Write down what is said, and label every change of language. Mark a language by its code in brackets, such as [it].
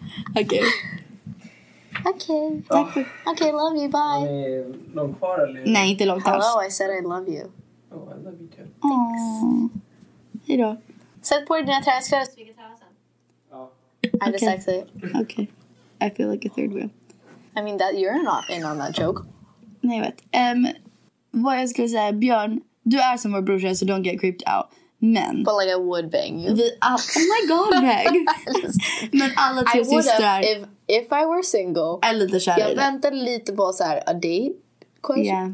[sv] Okej. Okej. Okej, [en] love you, bye. [sv] Nej, långt kvar, eller? Nej, inte långt kvar. [en] Hello, I said I love you. Oh, I love you too. Thanks. [sv] Hej då. Sätt på dina träskor så vi kan träna sen. Ja. [en] I'm just sexy. [sv] Okej. [en] I feel like a third wheel. I mean, that you're not in on that joke. [sv] Nej, jag vet. Vad jag skulle säga, Björn, du är som vår brorsa, så [en] don't get creeped out. [sv] Men... [en] But like, I would bang you. Oh my god, [sv] Meg. Men alla tre systrar... [en] If I were single... [sv] Är lite kär. Jag väntade lite på så här, [en] a date question, yeah.